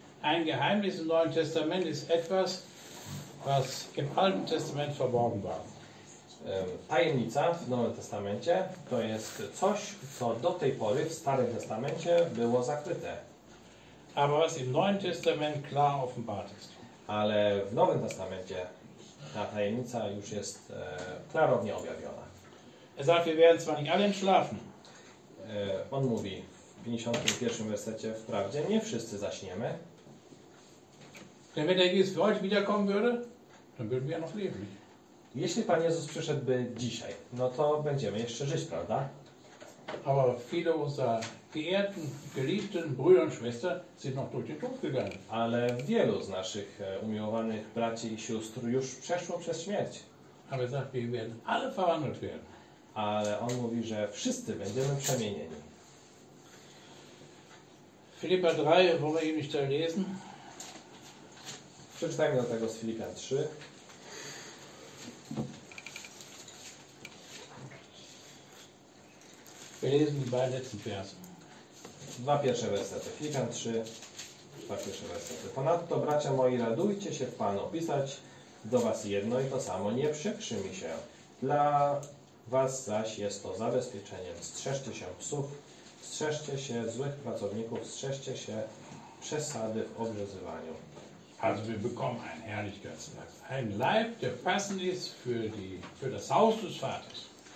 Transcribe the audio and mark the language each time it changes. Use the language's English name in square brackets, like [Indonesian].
[German] Ein Geheimnis im Neuen Testament ist etwas, was im Alten Testament verborgen war. [Polish] Tajemnica w Nowym Testamencie to jest coś, co do tej pory w Starym Testamencie było zakryte. [German] Aber was im Neuen Testament klar offenbart ist. [Polish] Ale w Nowym Testamencie ta tajemnica już jest klarownie objawiona. [German] Er sagt, wir werden zwar nicht alle entschlafen. [Polish] On mówi w 51. wersecie, wprawdzie nie wszyscy zaśniemy. [German] Wenn der Jesus für euch wiederkommen würde, dann würden wir noch leben. [Polish] Jeśli Pan Jezus przyszedłby dzisiaj, no to będziemy jeszcze żyć, prawda? [German] Aber viele unserer geehrten, geliebten Brüder und Schwestern sind noch durch den Tod gegangen. [Polish] Ale wielu z naszych umiłowanych braci i sióstr już przeszło przez śmierć. [German] Aber sagt, wir werden alle verwandelt werden. [Polish] Ale on mówi, że wszyscy będziemy przemienieni. [German] Filipa 3, wollen wir nicht lesen? [Polish] Przeczytajmy do tego z Filipian 3. [German] Wir lesen die beiden letzten Verse. [Polish] Dwa pierwsze wersety. Filipian 3, faktycznie westety. Ponadto, bracia moi, radujcie się w Panu, pisać do Was jedno i to samo, nie przykrzy mi się. Dla Was zaś jest to zabezpieczeniem. Strzeżcie się psów, strzeżcie się złych pracowników, strzeżcie się przesady w obrzezywaniu. [German] Also wir bekommen ein Herrlichkeitswerk, ein Leib, der passend ist für das Haus des Vaters.